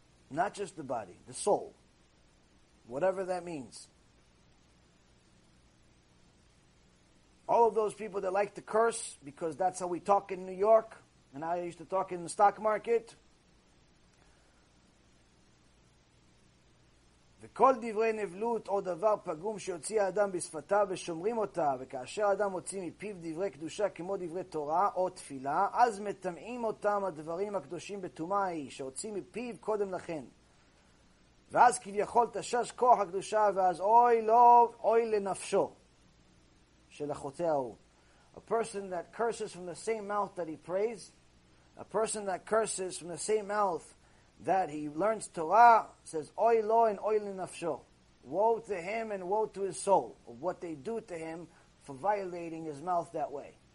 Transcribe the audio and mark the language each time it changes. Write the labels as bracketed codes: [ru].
[en] Not just the body, the soul. Whatever that means. All of those people that like to curse, because that's how we talk in New York, and I used to talk in the stock market. [he] וכל דברי נבלות או דבר פגום שיוציא האדם בשפתיו ושומרים אותה, וכאשר האדם מוציא מפיו דברי קדושה כמו דברי תורה או תפילה, אז מתמעים אותם הדברים הקדושים בתומה ההיא, שהוציא מפיו קודם לכן. ואז כביכול תשש כוח הקדושה, ואז אוי לא, אוי לנפשו. של החוטא ההוא. [en] A person that curses from the same mouth that he prays, a person that curses from the same mouth that he learns Torah, says, [he] oy lo and oy l'nafsho. [en] Woe to him and woe to his soul, of what they do to him for violating his mouth that way.